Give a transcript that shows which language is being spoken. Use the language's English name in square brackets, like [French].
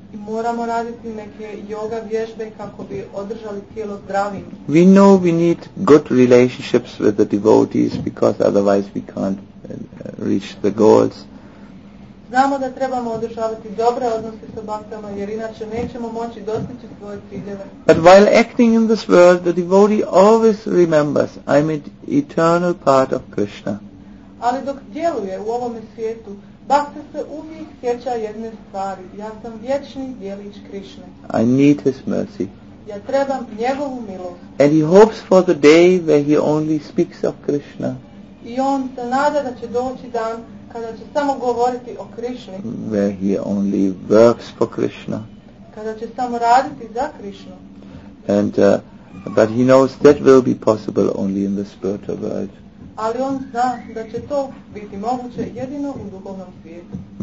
[Croatian] Moramo raditi neke yoga vježbe kako bi održali tijelo zdravim. [English] We know we need good relationships with the devotees because otherwise we can't reach the goals. [Croatian] Znamo da trebamo održavati dobre odnose sa bhaktama jer inače nećemo moći dostići svoje ciljeve. [English] But while acting in this world, the devotee always remembers, I'm an eternal part of Krishna. [Croatian] Ali dok djeluje u ovome svijetu, bhakta se uvijek sjeća jedne stvari. Ja sam vječni djelić Krišne. [English] I need his mercy. [Croatian] Ja trebam njegovu milost. [English] And he hopes for the day where he only speaks of Krishna. [Croatian] I on se nada da će doći dan kada će samo govoriti o Krišni. [English] Where he only works for Krishna. [Croatian] Kada će samo raditi za Krišnu. [English] And, but he knows that will be possible only in the spiritual world. [Croatian] Ali on zna da će to biti moguće jedino u duhovnom svijetu.